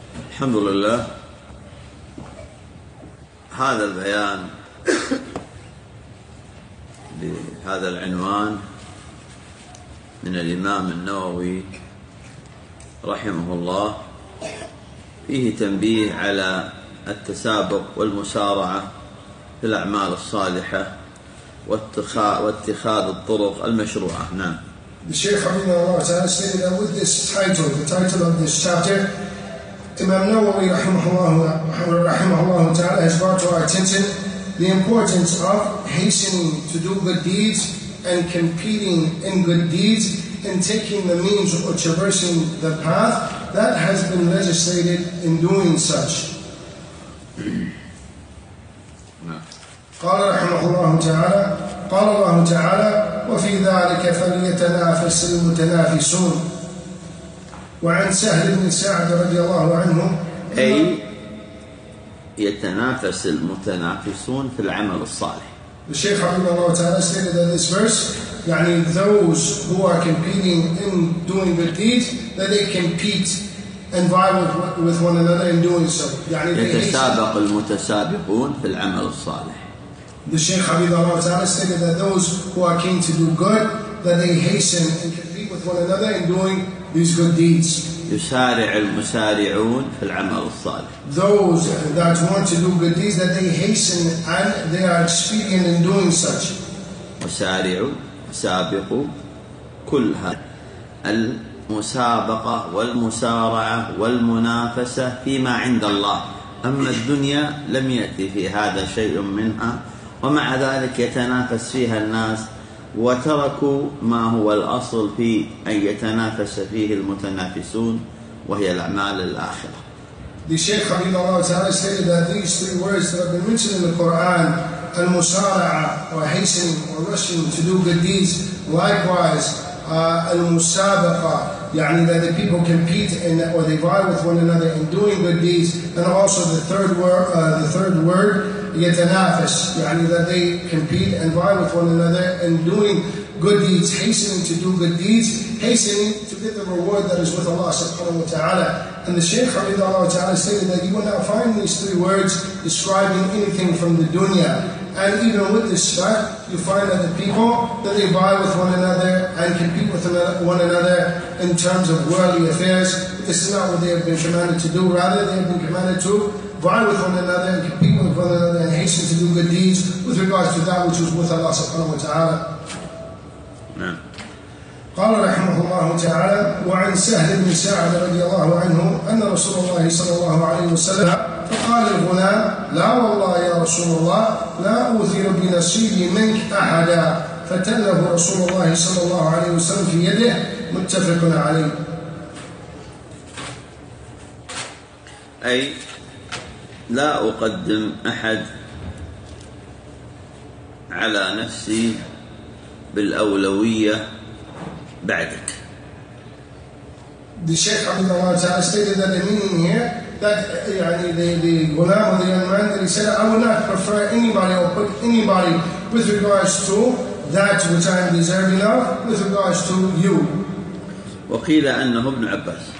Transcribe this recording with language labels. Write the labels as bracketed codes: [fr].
[ar] الحمد لله، هذا البيان بهذا العنوان من الإمام النووي رحمه الله فيه تنبيه على التسابق والمسارعة في الأعمال الصالحة واتخاذ الطرق المشروعة. نعم. [en] The Shaykh Hafidhahullah Allah Ta'ala stated that with this title, the title of this chapter, Imam Nawawi rahimahullah ta'ala has brought to our attention the importance of hastening to do good deeds and competing in good deeds and taking the means or traversing the path that has been legislated in doing such. [ar] قال رحمه الله تعالى قال الله تعالى وفي ذلك فليتنافس المتنافسون. وعن سهل بن سعد رضي الله عنه أي يتنافس المتنافسون في العمل الصالح. [en] The Shaykh رحمه الله تعالى stated that this verse, يعني those who are competing in doing good deeds, that they compete and vie with one another in doing so. [ar] يعني يتسابق المتسابقون في العمل الصالح. [en] The Shaykh Hafidhahullah Ta'ala stated that those who are keen to do good, that they hasten and compete with one another in doing these good deeds. [ar] يسارع المسارعون في العمل الصالح. [en] Those that want to do good deeds, that they hasten and they are expedient in doing such. [ar] مسارعون سابقوا كلها المسابقة والمسارعة والمنافسة فيما عند الله، أما الدنيا لم يأتي في هذا شيء منها، ومع ذلك يتنافس فيها الناس وتركوا ما هو الأصل في أن يتنافس فيه المتنافسون وهي الأعمال الآخرة. [en] The Shaykh Hafidhahullah Ta'ala stated that these three words that have been mentioned in the Quran, al-musara'a, or hastening or rushing to do good deeds, likewise, al-musabaqa, يعني that the people compete in, or they vie with one another in doing good deeds, and also the third word, yatanafis, يعني that they compete and vie with one another in doing good deeds, hastening to do good deeds, hastening to get the reward that is with Allah subhanahu wa ta'ala. And the Shaykh Hafidhahullah Ta'ala stated that you will not find these three words describing anything from the dunya. And even with this fact, you find that the people, that they vie with one another and compete with one another in terms of worldly affairs. This is not what they have been commanded to do. Rather, they have been commanded to vie with one another and compete with one another and hasten to do good deeds with regards to that which was with Allah subhanahu wa ta'ala. [ar] قال رحمه الله تعالى وعن سهل بن سعد رضي الله عنه أن رسول الله صلى الله عليه وسلم فقال هنا لا والله يا رسول الله لا أوثر بنصيبي منك أحدا فتله رسول الله صلى الله عليه وسلم في يده. متفق عليه. أي لا أقدم أحد على نفسي بالأولوية بعدك. [en] The Sheikh Abdullah Ta'ala stated that the meaning here, that the Ghulam or the young man, that he said, I would not prefer anybody or put anybody with regards to that which I am deserving of with regards to you. [ar] وقيل أنه ابن عباس.